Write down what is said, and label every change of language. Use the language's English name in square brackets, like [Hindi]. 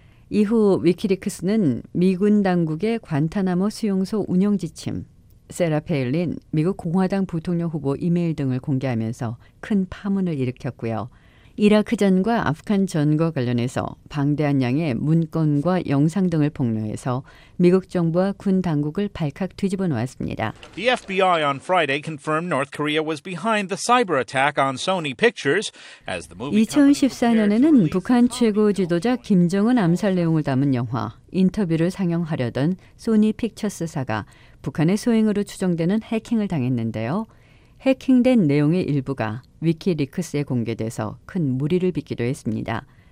[Korean] 이후 위키리크스는 미군 당국의 관타나모 수용소 운영 지침, 세라 페일린 미국 공화당 부통령 후보 이메일 등을 공개하면서 큰 파문을 일으켰고요. 이라크전과 아프간전과 관련해서 방대한 양의 문건과 영상 등을 폭로해서 미국 정부와 군 당국을 발칵 뒤집어 놓았습니다. [English] The FBI on Friday confirmed North Korea was behind the cyber attack on Sony Pictures as the movie. [Korean] 2014년에는 북한 최고 지도자 김정은 암살 내용을 담은 영화 인터뷰를 상영하려던 소니 픽처스사가 북한의 소행으로 추정되는 해킹을 당했는데요. 해킹된 내용의 일부가 위키리크스에 공개돼서 큰 물의를 빚기도 했습니다.